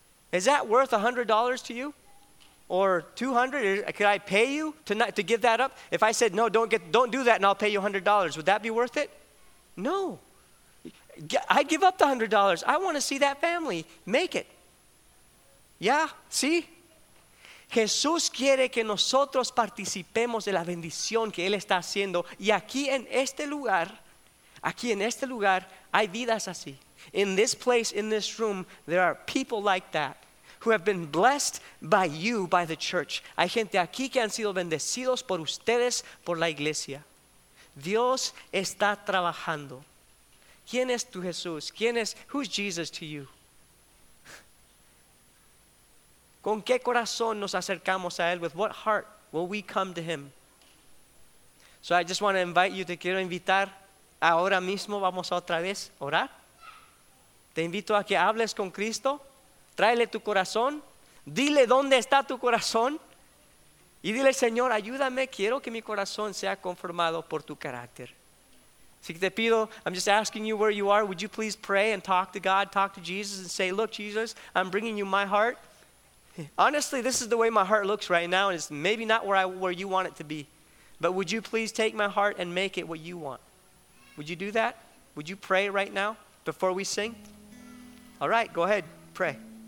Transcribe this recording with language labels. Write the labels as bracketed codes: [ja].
[en] Is that worth $100 to you? Or $200? Could I pay you tonight to give that up? If I said, no, don't do that and I'll pay you $100, would that be worth it? No. I'd give up the $100. I want to see that family make it. Yeah, sí. [es] Jesús quiere que nosotros participemos de la bendición que Él está haciendo. Y aquí en este lugar, hay vidas así. [en] In this place, in this room, there are people like that who have been blessed by you, by the church. [es] Hay gente aquí que han sido bendecidos por ustedes, por la iglesia. Dios está trabajando. ¿Quién es tu Jesús? [en] Who's Jesus to you? [es] ¿Con qué corazón nos acercamos a Él? [en] With what heart will we come to Him? So I just want to invite you, [es] te quiero invitar, ahora mismo vamos a otra vez orar. Te invito a que hables con Cristo, tráele tu corazón, dile dónde está tu corazón y dile, Señor, ayúdame, quiero que mi corazón sea conformado por tu carácter. Así que te pido, [en] I'm just asking you where you are, would you please pray and talk to God, talk to Jesus and say, look, Jesus, I'm bringing you my heart. Honestly, this is the way my heart looks right now, and it's maybe not where you want it to be. But would you please take my heart and make it what you want? Would you do that? Would you pray right now before we sing? All right, go ahead, pray.